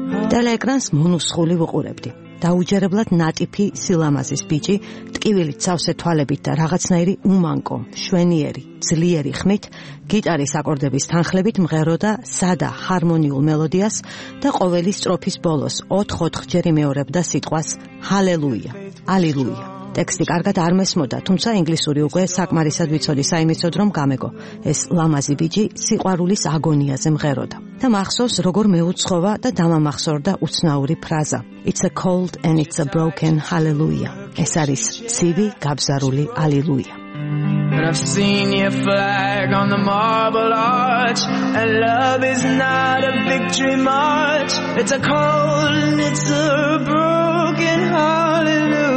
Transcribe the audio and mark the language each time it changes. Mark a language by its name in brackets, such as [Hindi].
[Georgian] ტელეეკრანს მონუსხული ვუყურებდი. დაუჯერებლად ნატიფი სილამაზის ბიჭი, ტკივილი ცავსე თვალებით და რაღაცნაირი უმანკო, შვენიერი, ძლიერი ხმით, გიტარის აკორდების თანხლებით მღეროდა სადა ჰარმონიულ მელოდიას და ყოველი სტროფის ბოლოს 4-5 ჯერი მეორებდა სიტყვას ჰალელუია, ალილუია. ტექსტი კარგად არ მესმოდა, თუმცა ინგლისური უკვე საკმარისად ვიცოდი საიმისოდ, რომ გამეგო. ეს ლამაზი ბიჭი სიყვარულის აგონიაზე მღეროდა. და მახსოვს, როგორ მეუცხოვა და დამამახსოვრდა უცნაური ფრაზა. [English] It's a cold and it's a broken hallelujah. [Georgian] ეს არის ცივი, გაბზარული ალილუია. [English] But I've seen your flag on the marble arch, and love is not a victory march. It's a cold and it's a broken hallelujah.